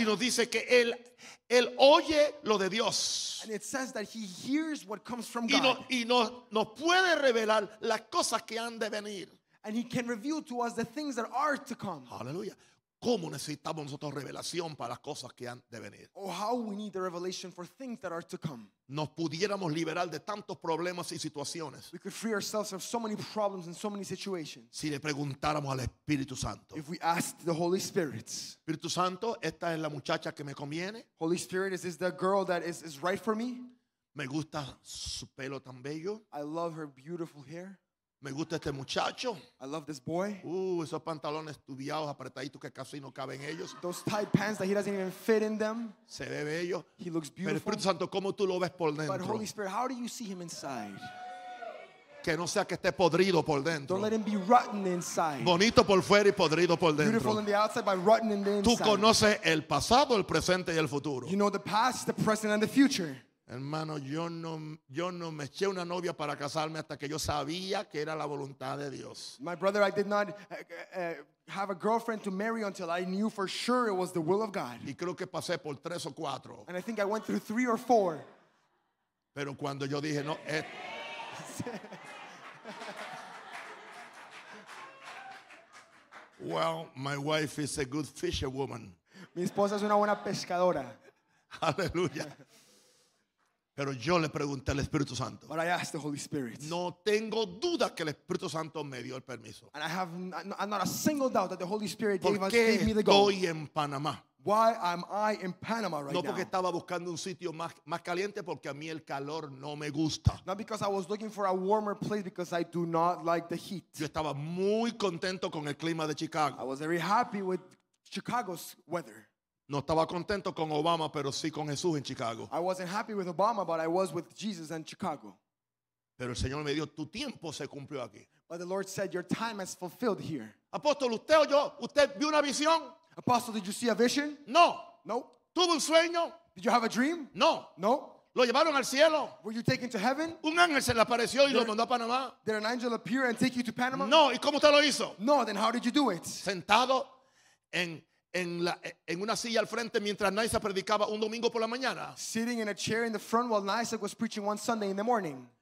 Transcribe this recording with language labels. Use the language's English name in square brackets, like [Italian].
[Spanish] Y nos dice que él oye lo de Dios. [English] And it says that he hears what comes from God. [Spanish] Y nos puede revelar las cosas que han de venir. [English] And he can reveal to us the things that are to come. [Spanish] Aleluya. ¿Cómo necesitamos nosotros revelación para las cosas que han de venir? [English] Oh, how we need the revelation for things that are to come. [Spanish] Nos pudiéramos liberar de tantos problemas y situaciones. [English] We could free ourselves of so many problems and so many situations. [Spanish] Si le preguntáramos al Espíritu Santo. [English] If we asked the Holy Spirit. [Spanish] Espíritu Santo, esta es la muchacha que me conviene. [English] Holy Spirit, is this the girl that is right for me? [Spanish] Me gusta su pelo tan bello. [English] I love her beautiful hair. [Spanish] Me gusta este muchacho. [English] I love this boy. [Spanish] Esos pantalones tubiados apretaditos que casi no caben ellos. [English] Those tight pants that he doesn't even fit in them. [Spanish] Se ve bello. [English] He looks beautiful. [Spanish] Pero Espíritu Santo, ¿cómo tú lo ves por dentro? [English] But Holy Spirit, how do you see him inside? [Spanish] Que no sea que esté podrido por dentro. [English] Don't let him be rotten inside. [Spanish] Bonito por fuera y podrido por dentro. [English] Beautiful on the outside, but rotten in the inside. [Spanish] Tú conoces el pasado, el presente y el futuro. [English] You know the past, the present, and the future. [Spanish] Hermano, yo no me eché una novia para casarme hasta que yo sabía que era la voluntad de Dios. [English] My brother, I did not have a girlfriend to marry until I knew for sure it was the will of God. [Spanish] Y creo que pasé por tres o cuatro. [English] And I think I went through three or four. [Spanish] Pero cuando yo dije no, [English] well, my wife is a good fisherwoman. [Spanish] Mi esposa es una buena pescadora. Aleluya. Pero yo le pregunté al Espíritu Santo. [English] But I asked the Holy Spirit. [Spanish] No tengo duda que el Espíritu Santo me dio el permiso. [English] And I have not a single doubt that the Holy Spirit gave me the go. [Spanish] Estoy en Panamá. [English] Why am I in Panama right now? [Spanish] No porque estaba buscando un sitio más caliente porque a mí el calor no me gusta. [English] Not because I was looking for a warmer place because I do not like the heat. [Spanish] Yo estaba muy contento con el clima de Chicago. [English] I was very happy with Chicago's weather. [Spanish] No estaba contento con Obama, pero sí con Jesús en Chicago. [English] I wasn't happy with Obama, but I was with Jesus in Chicago. [Spanish] Pero el Señor me dijo, tu tiempo se cumplió aquí. [English] But the Lord said, your time is fulfilled here. [Spanish] Apóstol, ¿usted vio una visión? [English] Apostle, did you see a vision? [Spanish] No. [English] No. [Spanish] ¿Tuvo un sueño? [English] Did you have a dream? [Spanish] No. [English] No. [Spanish] ¿Lo llevaron al cielo? [English] Were you taken to heaven? [Spanish] Un ángel se le apareció y lo mandó a Panamá. [English] Did an angel appear and take you to Panama? [Spanish] No. ¿Y cómo usted lo hizo? [English] No. Then how did you do it? [Spanish] Sentado en una silla al frente mientras Naisa predicaba un domingo por la mañana. [English] Sitting in a chair in the front while Naisa was preaching one Sunday in the morning.